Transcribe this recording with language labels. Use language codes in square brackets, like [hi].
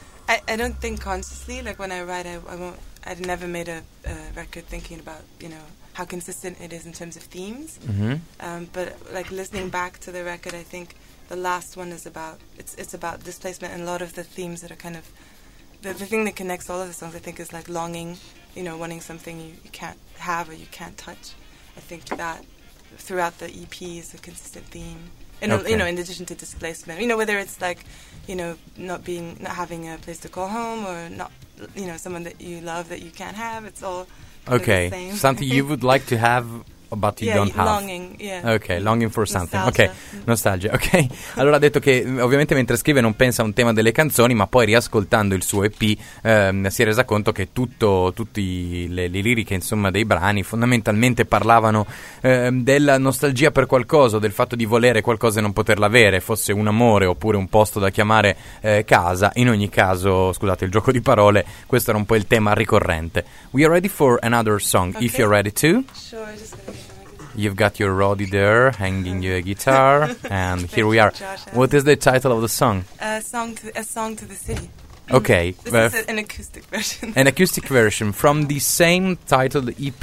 [en] I don't think consciously, like when I write, I've never made a record thinking about, you know, how consistent it is in terms of themes. Mm-hmm. But like listening back to the record, I think the last one is about it's about displacement, and a lot of the themes that are kind of the thing that connects all of the songs, I think, is like longing, you know, wanting something you can't have or you can't touch. I think that throughout the EP is a consistent theme, and okay. You know, in addition to displacement, you know, whether it's like, you know, not having a place to call home, or not, you know, someone that you love that you can't have, it's all okay the same. Something you would like to have but you yeah, don't have. Longing, yeah. Okay, longing for something. Nostalgia. Ok, nostalgia. Ok. [it] Allora ha detto che ovviamente mentre scrive non pensa a un tema delle canzoni, ma poi riascoltando il suo EP si è resa conto che tutte le liriche, insomma, dei brani fondamentalmente parlavano della nostalgia per qualcosa, del fatto di volere qualcosa e non poterla avere, fosse un amore oppure un posto da chiamare casa. In ogni caso, scusate il gioco di parole, questo era un po' il tema ricorrente. [en] We are ready for another song. Okay. If you're ready to. Sure, you've got your Roddy there hanging your guitar, and here we are. Josh, what is the title of the song? A song to the city. Okay. This is an acoustic version. An acoustic version from the same titled EP.